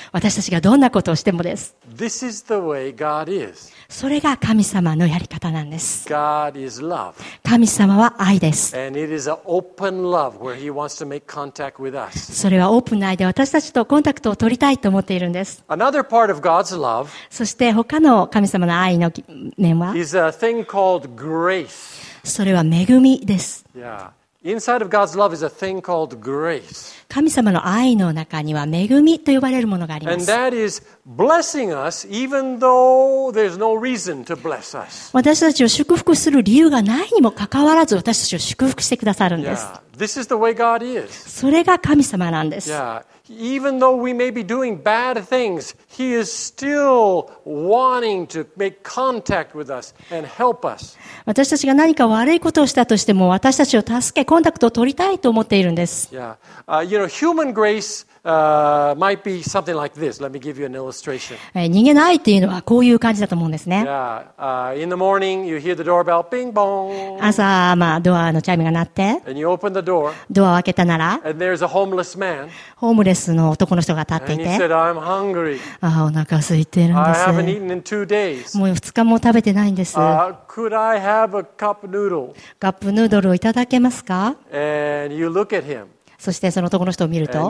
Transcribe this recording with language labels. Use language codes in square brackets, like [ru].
[ja] 私たちがどんなことをしてもです。 [en] This is the way God is. [ja] それが神様のやり方なんです。 [en] God is love. [ja] 神様は愛です。 [en] And it is an open love where he wants to make contact with us. [ja] それはオープンな愛で私たちとコンタクトを取りたいと思っているんです。 [en] Another part of God's love. [ja] そして他の神様の愛の面は、 [en] is a thing called grace. [ja] それは恵みです。 [en] Yeah. Inside of God's love is a thing called grace. [ja] 神様の愛の中には恵みと呼ばれるものがあります。 [en] And that is blessing us even though there's no reason to bless us. [ja] 私たちを祝福する理由がないにもかかわらず私たちを祝福してくださるんです。 [en] Yeah, this is the way God is. [ja] それが神様なんです。 [en] Yeah, even though we may be doing bad things, He is still wanting to make contact with us and help us. [ja] 私たちが何か悪いことをしたとしても私たちを助けコンタクトを取りたいと思っているんです。 [en] You know, human grace, might be something like this. Let me give you an illustration. [ja] 人間の愛っていうのはこういう感じだと思うんですね。 [en] In the morning, you hear the doorbell, bing bong. [ja] 朝、まあ、ドアのチャイムが鳴って。 [en] And you open the door. [ja] ドアを開けたなら。 [en] And there's a homeless man. [ja] ホームレスの男の人が立っていて。 [en] And he said, I'm hungry. [ja] ああ、お腹空いてるんです。 [en] I haven't eaten in 2 days. [ja] もう2日も食べてないんです。 [en] Could I have a cup noodle? [ja] カップヌードルをいただけますか? [en] And you look at him. [ja] そしてその男の人を見ると